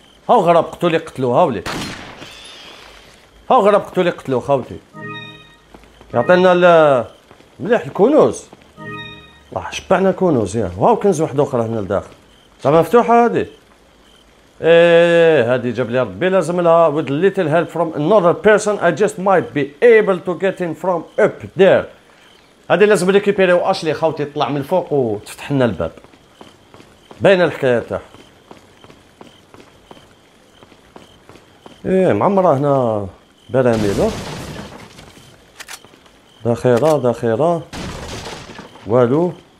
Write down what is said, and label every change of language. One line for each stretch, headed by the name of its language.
Arabic: هاو غراب قتولي قتلوها ولي. هاو غراب قتولي قتلوها خوتي. يعطينا مليح الكنوز. راح شبعنا كنوز يا. هاو كنز واحد اخرى هنا لداخل. زعما مفتوحة هادي. ايه هادي جاب لي ربي لازم لها.
English: With little help from another person I just might be able to get in from up there.
Arabic: هادي لازم ريكيبيري واشلي خوتي تطلع من فوق وتفتح لنا الباب. باينة الحكاية تاعها. ايه معمرة هنا براميلو. داخيرة داخيرة. والو.